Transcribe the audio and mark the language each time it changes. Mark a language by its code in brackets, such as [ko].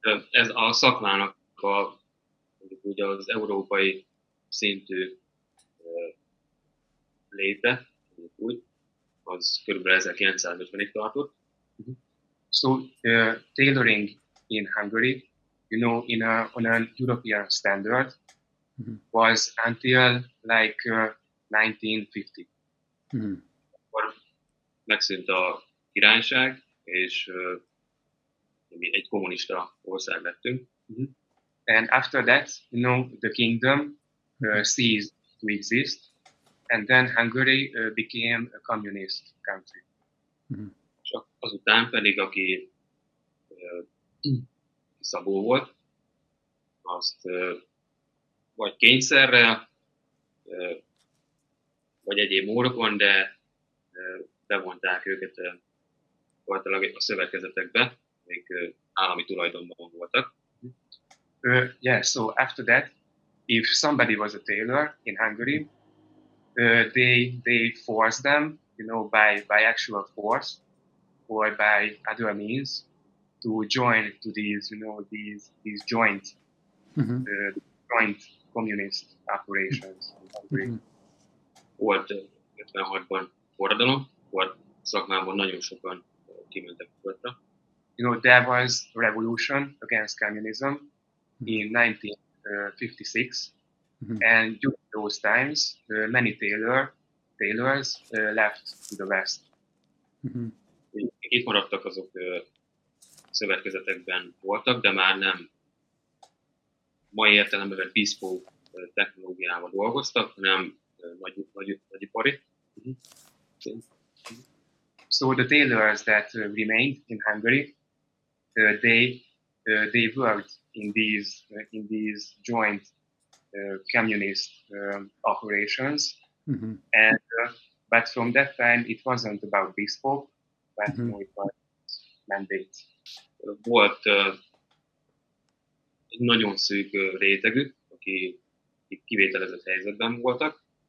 [hu] Ez a szakmának a ugye az európai szintű léte, úgy. Az körülbelül 1950-ig tartott. [en] So tailoring in Hungary, you know, in a on a European standard, was until like 1950. [hu] Akkor megszűnt a királyság, és mi egy kommunista ország lettünk. [en] And after that, you know, the kingdom ceased to exist. And then Hungary became a communist country. [hu] És azután pedig, aki szabó volt, azt vagy kényszerre, vagy egyéb módokon, de bevonták őket voltak a szövetkezetekbe, még állami tulajdonban voltak. [en] So after that, if somebody was a tailor in Hungary, they force them, you know, by actual force or by other means to join to these, you know, these joint joint communist operations. [hu] Volt 56-ban forradalom, volt szakmában nagyon sokan kimentek voltra. [en] You know, there was revolution against communism in 1956. And during those times, many tailors left to the West. [hu] Itt maradtak azok szövetkezetekben voltak, de már nem mai értelemben [en] bespoke [hu] technológiával dolgoztak, hanem nagyipari. [en] So the tailors that remained in Hungary, they worked in these joint communist operations, and but from that time it wasn't about bespoke, but it was mandate. [hu] Volt egy nagyon szűk rétegű, aki kivételezett helyzetben voltak.